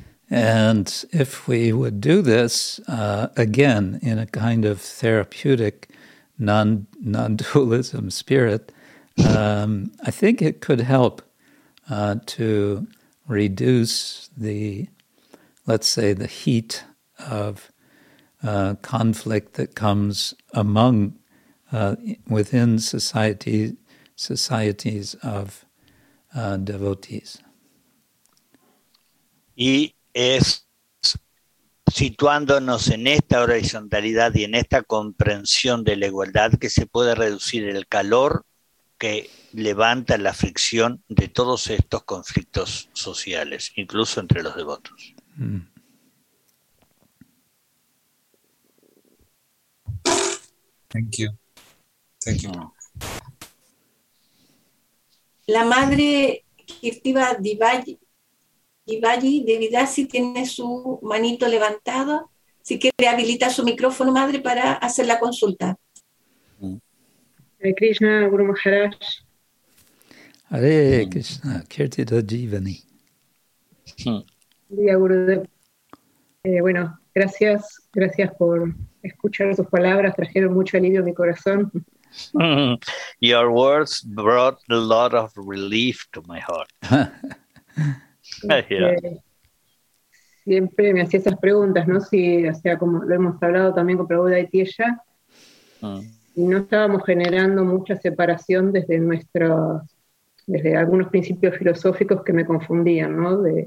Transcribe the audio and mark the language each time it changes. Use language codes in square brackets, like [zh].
[en] And if we would do this again in a kind of therapeutic non-dualism spirit, I think it could help to reduce the, let's say, the heat of conflict that comes among within societies of devotees. [es] Es situándonos en esta horizontalidad y en esta comprensión de la igualdad que se puede reducir el calor que levanta la fricción de todos estos conflictos sociales, incluso entre los devotos. [en] Thank you. [es] La madre Kirtiva Divaji, de Vidasi, tiene su manito levantado. Si quiere, habilita su micrófono, madre, para hacer la consulta. Hare Krishna, Guru Maharaj. Hare Krishna, Kirti Dajivani. Buen día, Gurudev. Bueno, gracias, gracias por escuchar tus palabras, trajeron mucho alivio a mi corazón. [en] Your words brought a lot of relief to my heart. [es] Siempre me hacía esas preguntas, ¿no? Si, o sea, como lo hemos hablado también con Prabhu Daitiya, y no estábamos generando mucha separación desde nuestros, desde algunos principios filosóficos que me confundían, ¿no?